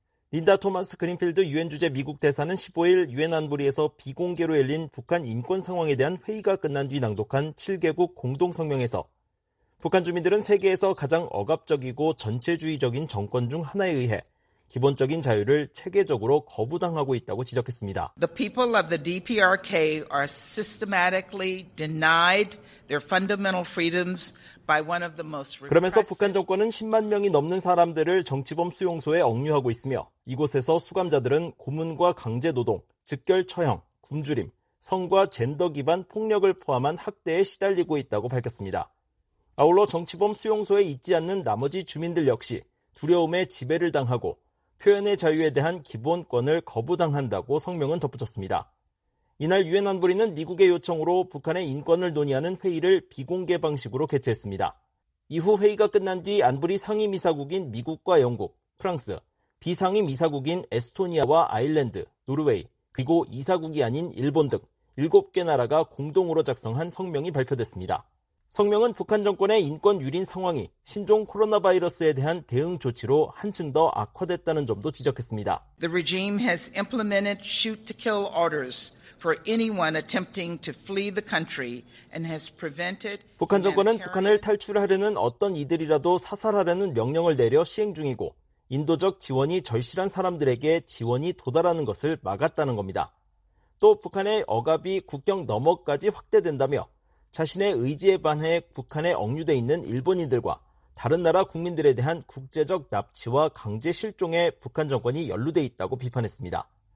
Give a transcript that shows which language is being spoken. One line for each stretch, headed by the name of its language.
Korean: 린다 토마스 그린필드 유엔 주재 미국 대사는 15일 유엔 안보리에서 비공개로 열린 북한 인권 상황에 대한 회의가 끝난 뒤 낭독한 7개국 공동 성명에서 북한 주민들은 세계에서 가장 억압적이고 전체주의적인 정권 중 하나에 의해 기본적인 자유를 체계적으로 거부당하고 있다고 지적했습니다.
English: The people of the DPRK are systematically denied their fundamental freedoms by one of the most repressive.
Korean: 그러면서 북한 정권은 10만 명이 넘는 사람들을 정치범 수용소에 억류하고 있으며 이곳에서 수감자들은 고문과 강제 노동, 즉결 처형, 굶주림, 성과 젠더 기반 폭력을 포함한 학대에 시달리고 있다고 밝혔습니다. 아울러 정치범 수용소에 있지 않는 나머지 주민들 역시 두려움에 지배를 당하고 표현의 자유에 대한 기본권을 거부당한다고 성명은 덧붙였습니다. 이날 유엔 안보리는 미국의 요청으로 북한의 인권을 논의하는 회의를 비공개 방식으로 개최했습니다. 이후 회의가 끝난 뒤 안보리 상임이사국인 미국과 영국, 프랑스, 비상임이사국인 에스토니아와 아일랜드, 노르웨이, 그리고 이사국이 아닌 일본 등 7개 나라가 공동으로 작성한 성명이 발표됐습니다. 성명은 북한 정권의 인권 유린 상황이 신종 코로나 바이러스에 대한 대응 조치로 한층 더 악화됐다는 점도 지적했습니다.
English: The regime has implemented shoot to kill orders for anyone attempting to flee the country and has prevented
Korean: 북한 정권은 북한을 탈출하려는 어떤 이들이라도 사살하려는 명령을 내려 시행 중이고 인도적 지원이 절실한 사람들에게 지원이 도달하는 것을 막았다는 겁니다. 또 북한의 억압이 국경 너머까지 확대된다며 자신의 의지에 반해 북한에 억류돼 있는 일본인들과 다른 나라 국민들에 대한 국제적 납치와 강제 실종에 북한 정권이 연루돼 있다고 비판했습니다.